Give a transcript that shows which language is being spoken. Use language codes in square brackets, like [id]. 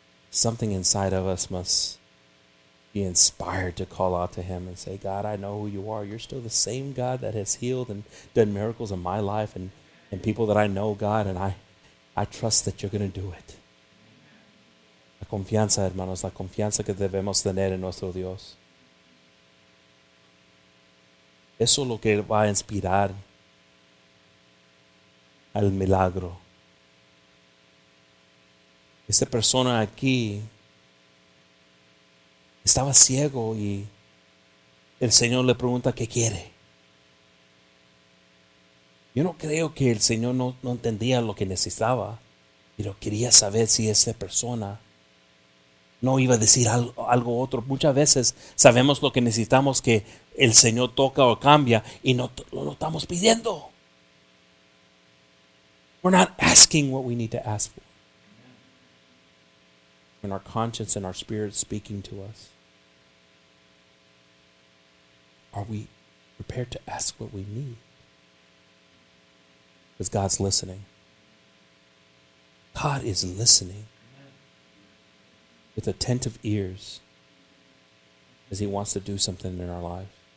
[en] Something inside of us must be inspired to call out to him and say, God, I know who you are. You're still the same God that has healed and done miracles in my life and people that I know, God, and I trust that you're going to do it. [es] La confianza, hermanos, la confianza que debemos tener en nuestro Dios. Eso es lo que va a inspirar al milagro. Esta persona aquí estaba ciego y el Señor le pregunta, ¿qué quiere? Yo no creo que el Señor no entendía lo que necesitaba, pero quería saber si esta persona no iba a decir algo otro. Muchas veces sabemos lo que necesitamos, que el Señor toca o cambia, y no lo estamos pidiendo. [en] We're not asking what we need to ask for. And our conscience and our spirit speaking to us. Are we prepared to ask what we need? Because God's listening. God is listening with attentive ears as he wants to do something in our life.